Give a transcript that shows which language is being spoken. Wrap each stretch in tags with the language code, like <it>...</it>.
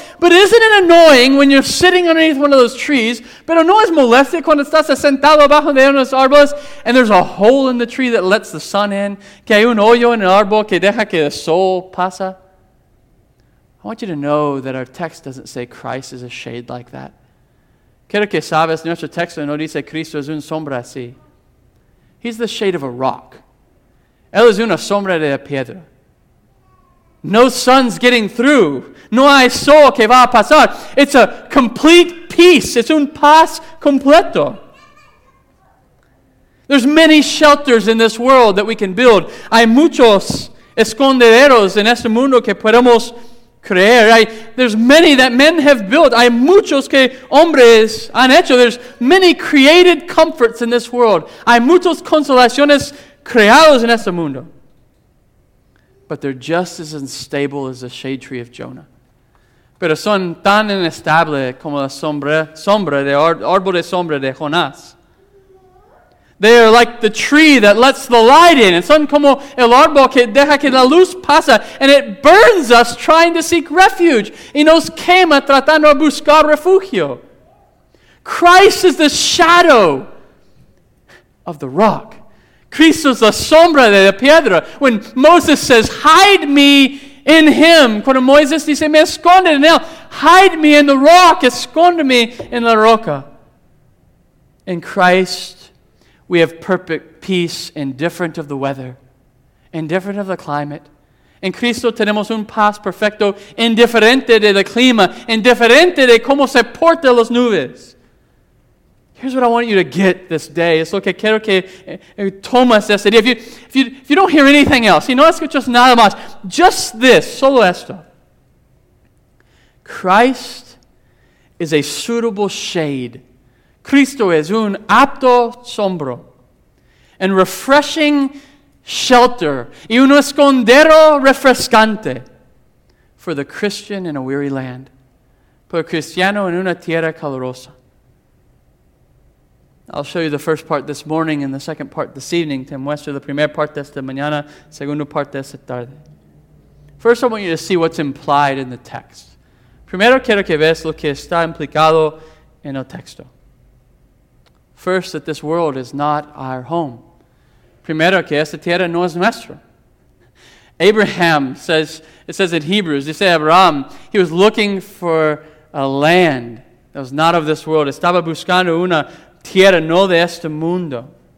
<en>But isn't it annoying when you're sitting underneath one of those trees?</en> <es>Pero no es molestia cuando estás sentado bajo de unos árboles</es> <en>and there's a hole in the tree that lets the sun in.</en> <es>Que hay un hoyo en el árbol que deja que el sol pasa.</es> <en>I want you to know that our text doesn't say Christ is a shade like that.</en> <es>Quiero que sabes, nuestro texto no dice Cristo es un sombra así.</es> <en>He's the shade of a rock.</en> <es>Él es una sombra de piedra.</es> <en>No sun's getting through.</en> <es>No hay sol que va a pasar.</es> <en>It's a complete peace. It's</en> <es>un paz completo.</es> <en>There's many shelters in this world that we can build.</en> <es>Hay muchos esconderos en este mundo que podemos creer.</es> <en>There's many that men have built.</en> <es>Hay muchos que hombres han hecho.</es> <en>There's many created comforts in this world.</en> <es>Hay muchos consolaciones creados en este mundo.</es> <en>But they're just as unstable as the shade tree of Jonah.</en> <es>Pero son tan inestable como la árbol de sombra de Jonás.</es> <en>They are like the tree that lets the light in. And</en> <es>son como el árbol que deja que la luz pasa.</es> <en>And it burns us trying to seek refuge.</en> <es>Y nos quema tratando de buscar refugio.</es> <en>Christ is the shadow of the rock.</en> <es>Cristo es la sombra de la piedra.</es> <en>When Moses says, hide me in him.</en> <es>Cuando Moisés dice, me esconde en él.</es> <en>Hide me in the rock.</en> <es>Esconde me in la roca.</es> <en>In Christ, we have perfect peace, indifferent of the weather, indifferent of the climate.</en> <es>En Cristo tenemos un paz perfecto, indiferente de la clima, indiferente de cómo se porta las nubes.</es> <en>Here's what I want you to get this day.</en> <es>Es lo que quiero que tomas este día.</es> <en>If you don't hear anything else,</en> <es>no escuchas nada más,</es> <en>just this,</en> <es>solo esto.</es> <en>Christ is a suitable shade.</en> <es>Cristo es un apto sombro.</es> <en>And refreshing shelter.</en> <es>Y un escondero refrescante.</es> <en>For the Christian in a weary land.</en> <es>Por cristiano en una tierra calurosa.</es> <en>I'll show you the first part this morning and the second part this evening.</en> <es>Te muestro la primera parte de esta mañana, segunda parte de esta tarde.</es> <en>First, I want you to see what's implied in the text.</en> <es>Primero, quiero que veas lo que está implicado en el texto.</es> <en>First, that this world is not our home.</en> <es>Primero, que esta tierra no es nuestra.</es> <en>Abraham says, it says in Hebrews, they say Abraham, he was looking for a land that was not of this world.</en> <es>Estaba buscando una tierra no de este mundo.</es>